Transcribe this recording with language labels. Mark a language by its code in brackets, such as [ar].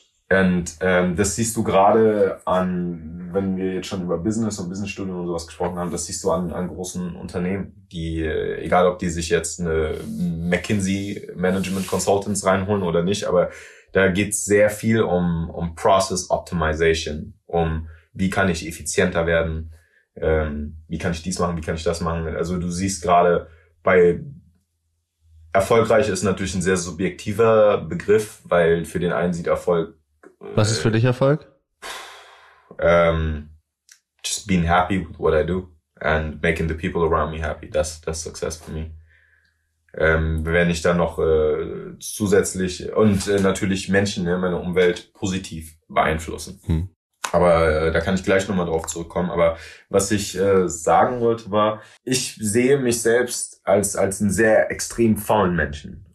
[de] Und das siehst du gerade an, wenn wir jetzt schon über Business und Businessstudien und sowas gesprochen haben, das siehst du an großen Unternehmen, die, egal ob die sich jetzt eine McKinsey Management Consultants reinholen oder nicht, aber da geht's sehr viel um Process Optimization, um wie kann ich effizienter werden, wie kann ich dies machen, wie kann ich das machen. Also du siehst gerade bei erfolgreich ist natürlich ein sehr subjektiver Begriff, weil für den einen sieht Erfolg. Was ist für dich Erfolg? [en] Just being happy with what I do and making the people around me happy. That's success for me. [de] Wenn ich dann noch zusätzlich und natürlich Menschen, ne, meine Umwelt positiv beeinflussen. Aber da kann ich gleich nochmal drauf zurückkommen. Aber was ich sagen wollte war, ich sehe mich selbst als einen sehr extrem faulen Menschen.